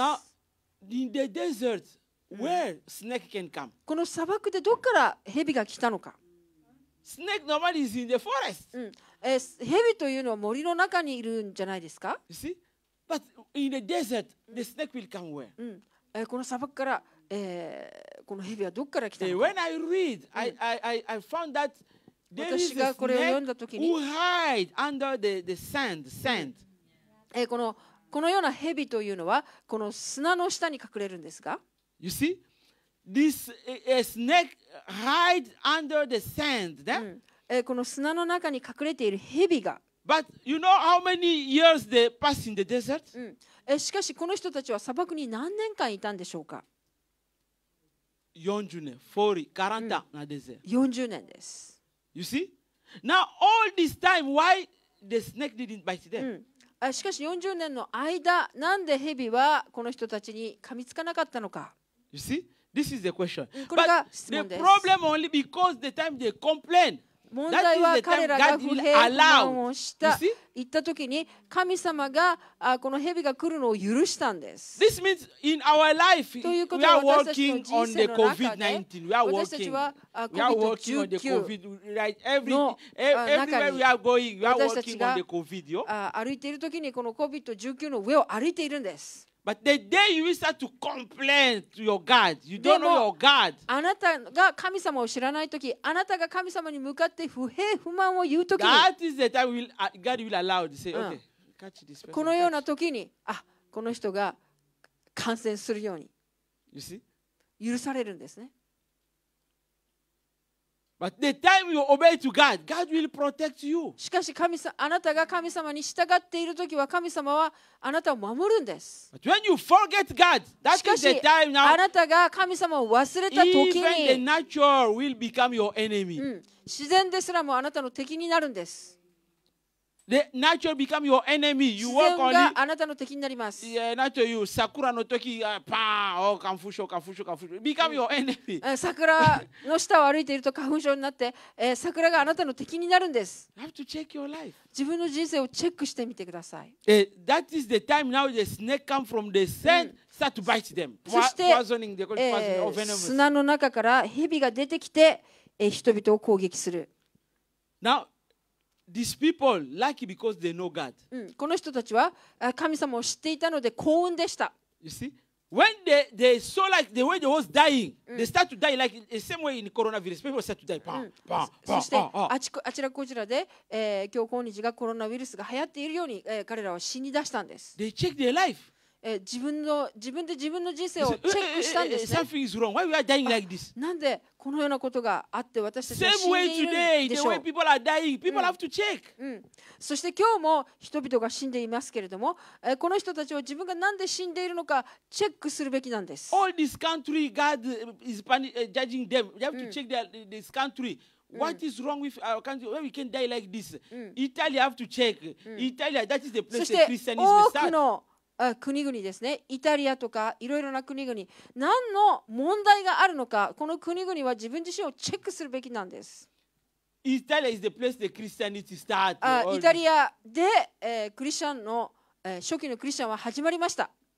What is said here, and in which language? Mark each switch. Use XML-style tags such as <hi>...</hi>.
<en>Now, in the desert, where snake can come?</en> <ja>この砂漠でどこから蛇が来たのか。</ja> <en>Snake normally is in the forest.</en> <ja>ヘビというのは森の中にいるんじゃないですか?</ja> <en>You see? But in the desert, the snake will come where?</en> <ja>この砂漠から、このヘビはどこから来たのか?</ja> <en>When I read, I found that there is a snake who hides under the sand.</en> <ja>このようなヘビというのはこの砂の下に隠れるんですが?</ja> <en>You see? This a snake hides under the sand. Then,、</en> <ja>この砂の中に隠れている蛇が。</ja> <en>But you know how many years they pass in the desert?、</en> <ja>しかしこの人たちは砂漠に何年間いたんでしょうか。 40年、40、40なデゼ。 40年です。</ja> <en>You see? Now all this time, why the snake didn't bite them?、</en> <ja>しかし40年の間、なんで蛇はこの人たちに噛みつかなかったのか。</ja> <en>You see? This is the question.</en> <ja>これが質問です。</ja> <en>But the problem only because the time they complain.</en> <ja>問題は彼らが不平不満をした。言った時に神様がこの蛇が来るのを許したんです。</ja> <en>This means in our life, we are working on the COVID-19. We are working. We are working on the COVID. Right, everywhere we are going, we are working on the COVID.</en> <ja>私たちが歩いている時にこの COVID-19 の上を歩いているんです。</ja> <en>But the day you start to complain to your God, you don't know your God.</en> <ja>あなたが神様を知らないとき、あなたが神様に向かって不平不満を言うとき、</ja> <en>That is the time God will allow to say, okay, catch this person.</en> <ja>このようなときに、あ、この人が感染するように、</ja> <en>You see?</en> <ja>許されるんですね。</ja> <en>But the time you obey to God, God will protect you.</en> <ja>しかし神様、あなたが神様に従っているときは神様はあなたを守るんです。</ja> <en>But when you forget God, that is the time now.</en> <ja>あなたが神様を忘れたときに、</ja> <en>even the nature will become your enemy.</en> <ja>自然ですらもあなたの敵になるんです。</ja> <en>The nature become your enemy. You work on it.</en> <ja>自然があなたの敵になります。</ja> <en>Yeah, nature you. Sakura</en> <ja>の時、パー、お、花粉症、花粉症、花粉症、</ja> <en>become your enemy.</en> <ja>桜の下を歩いていると花粉症になって、桜があなたの敵になるんです。</ja> <en>You have to check your life.</en> <ja>自分の人生をチェックしてみてください。</ja> <en>That is the time now the snake come from the sand, start to bite them.</en> <ja>そして、砂の中から蛇が出てきて、人々を攻撃する。</ja> <en>Now. These people lucky because they know God.</en> <ja>この人たちは神様を知っていたので幸運でした。</ja> <en>You see, when they saw like the way they was dying, they start to die like the same way in coronavirus. People start to die. Pow, pow, pow.</en> <ja>そしてあちらこちらで今日今日がコロナウイルスが流行っているように彼らは死に出したんです。</ja> <en>They check their life.</en> <ja>自分の人生をチェックしたんですね。</ja> <en>Something is wrong. Why we are dying like this?</en> <ja>なんでこのようなことがあって私たちは死んでいるんでしょう。</ja> <en>Same way today, the way people are dying, people have to check.</en> <ja>そして今日も人々が死んでいますけれども、この人たちは自分がなんで死んでいるのかチェックするべきなんです。</ja> <en>All this country, God is judging them. They have to check this country. What is wrong with our country? Why we can't die like this? Italy have to check. Italy, that is the place that Christianism starts.</en> <ja>そして多くの国々ですね、イタリアとかいろいろな国々、何の問題があるのか、この国々は自分自身をチェックするべきなんです。イタリアでクリスチャンの初期のイタリアでクリスチャンの初期のクリスチャンは始まりました。</ja>